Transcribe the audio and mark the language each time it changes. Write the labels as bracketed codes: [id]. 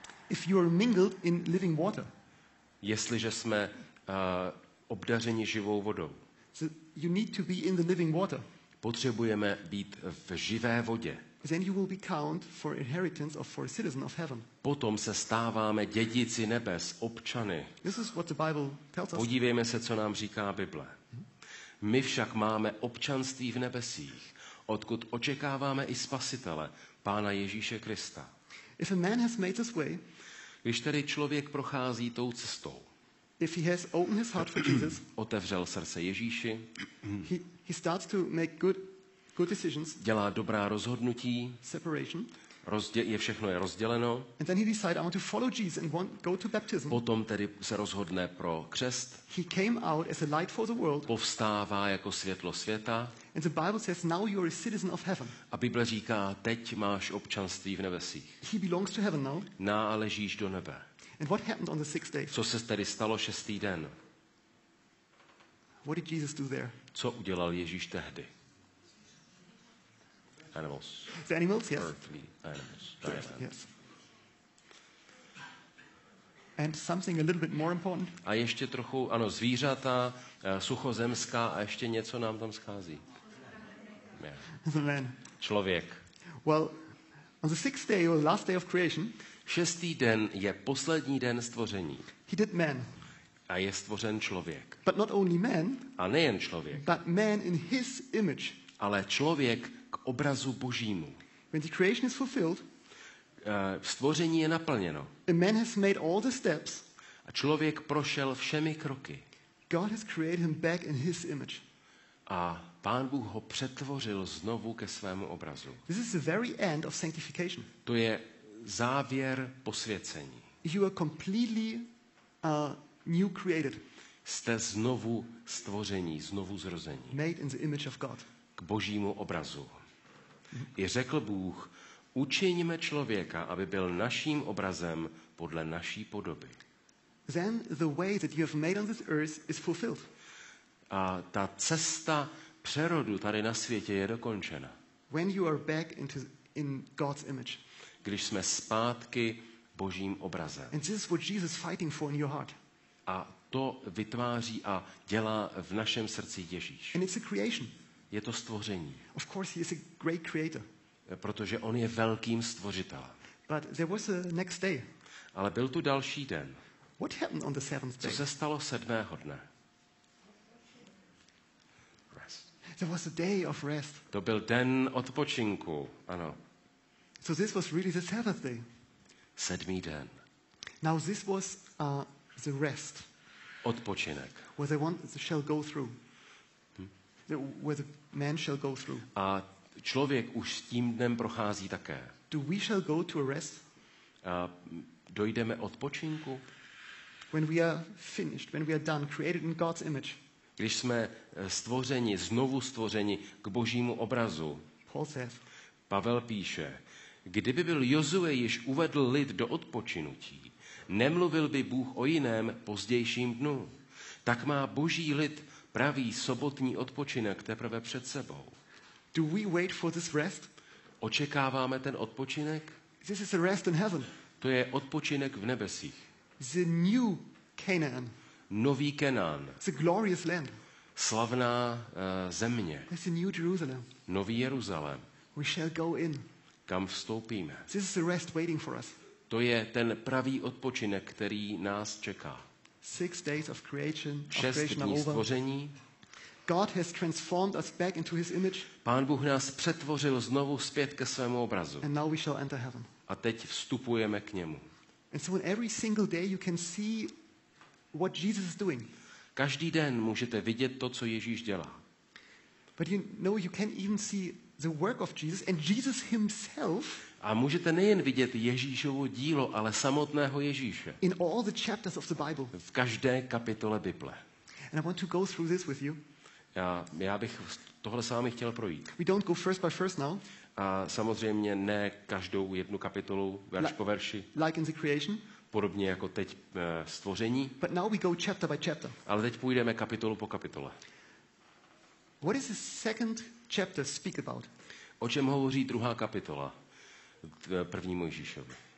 [en] If you are mingled in living water. [cs] Jestliže jsme obdařeni živou vodou. [en] So you need to be in the living water. [cs] Potřebujeme být v živé vodě. [en] Then you will be count for inheritance of for a citizen of heaven. [cs] Potom se stáváme dědici nebes, občany. [en] This is what the Bible tells us. [cs] Podívejme se, co nám říká Bible. My však máme občanství v nebesích, odkud očekáváme i spasitele, Pána Ježíše Krista. [en] If a man has made his way, [cs] když tedy člověk prochází tou cestou, [en] if he has opened his heart for Jesus, [cs] otevřel srdce Ježíši, [en] he starts to make good decisions, [cs] dělá dobrá rozhodnutí, [en] separation, [cs] všechno je rozděleno, [en] and then he decides, I want to follow Jesus and go to baptism. [cs] Potom tedy se rozhodne pro křest. [en] He came out as a light for the world. [cs] Povstává jako světlo světa. [en] And the Bible says, now you are a citizen of heaven. [cs] A Bible říká, teď máš občanství v nebesích. [en] He belongs to heaven now. [cs] Náležíš do nebe. [en] And what happened on the sixth day? [cs] Co se tedy stalo šestý den? [en] What did Jesus do there? [cs] Co udělal Ježíš tehdy? [en] Animals. The animals, yes. Earthly animals. Yes. And something a little bit more important. [cs] A ještě trochu, ano, zvířata, suchozemská a ještě něco nám tam schází. [en] Yeah. The man. [cs] Člověk. [en] Well, on the sixth day, or the last day of creation. [cs] Šestý den je poslední den stvoření. [en] He did man. [cs] A je stvořen člověk. [en] But not only man. [cs] A nejen člověk. [en] But man in his image. [cs] Ale člověk k obrazu Božímu. [en] When the creation is fulfilled. [cs] Stvoření je naplněno. [en] A man has made all the steps. [cs] A člověk prošel všemi kroky. [en] God has created him back in his image. [cs] A Pán Bůh ho přetvořil znovu ke svému obrazu. [en] This is the very end of sanctification. [cs] To je závěr posvěcení. [en] You are completely new created. [cs] Jste znovu stvoření, znovu zrození. [en] Made in the image of God. [cs] K Božímu obrazu. I řekl Bůh, učiníme člověka, aby byl naším obrazem podle naší podoby. [en] Then the way that you have made on this earth is fulfilled. [cs] A ta cesta přerodu tady na světě je dokončena. [en] When you are back in God's image. [cs] Když jsme zpátky Božím obrazem. [en] And this is what Jesus is fighting for in your heart. [cs] A to vytváří a dělá v našem srdci Ježíš. [en] And it's a creation. [cs] Je to stvoření. [en] Of course he is a great creator. [cs] Protože on je velkým stvořitelem. [en] But there was a next day. [cs] Ale byl tu další den. [en] What happened on the seventh day? [cs] Co se stalo sedmého dne? [en] Rest. There was a day of rest. [cs] To byl den odpočinku, ano. [en] So this was really the seventh day. [cs] Sedmý den. [en] Now this was the rest. [cs] Odpočinek. [en] Where the shall go through. Where the man shall go through. [cs] A člověk už tím dnem prochází také. [en] Do we shall go to a rest? [cs] Dojdeme odpočinku? [en] When we are finished, when we are done, created in God's image. [cs] Když jsme stvořeni, znovu stvořeni k Božímu obrazu. [en] Paul says, [cs] Pavel píše, kdyby byl Josue již uvedl lid do odpočinutí, nemluvil by Bůh o jiném pozdějším dnu. Tak má Boží lid pravý sobotní odpočinek teprve před sebou. [en] Do we wait for this rest? [cs] Očekáváme ten odpočinek? [en] This is a rest in heaven. [cs] To je odpočinek v nebesích. [en] The new Canaan. [cs] Nový Kanán. [en] The glorious land. [cs] Slavná země. [en] This is the new Jerusalem. [cs] Nový Jeruzalém. [en] We shall go in. [cs] Kam vstoupíme. [en] This is the rest waiting for us. [cs] To je ten pravý odpočinek, který nás čeká. [en] 6 days of creation. [cs] Šest dní stvoření. [en] God has transformed us back into his image. [cs] Pán Bůh nás přetvořil znovu zpět ke svému obrazu. [en] And now we shall enter heaven. [cs] A teď vstupujeme k němu. [en] And so on every single day you can see what Jesus is doing. [cs] Každý den můžete vidět to, co Ježíš dělá. [en] But you know you can even see the work of Jesus and Jesus himself. [cs] A můžete nejen vidět Ježíšovo dílo, ale samotného Ježíše. [en] In all the chapters of the Bible. [cs] V každé kapitole Bible. [en] And I want to go through this with you. [cs] Já bych tohle s vámi chtěl projít. [en] We don't go first by first now. [cs] A samozřejmě ne každou jednu kapitolu verš po verši. [en] Like in the creation. [cs] Podobně jako teď stvoření. [en] But now we go chapter by chapter. [cs] Ale teď půjdeme kapitolu po kapitole. [en] What is the second chapter speak about? [cs] O čem hovoří druhá kapitola první Mojžíšovi?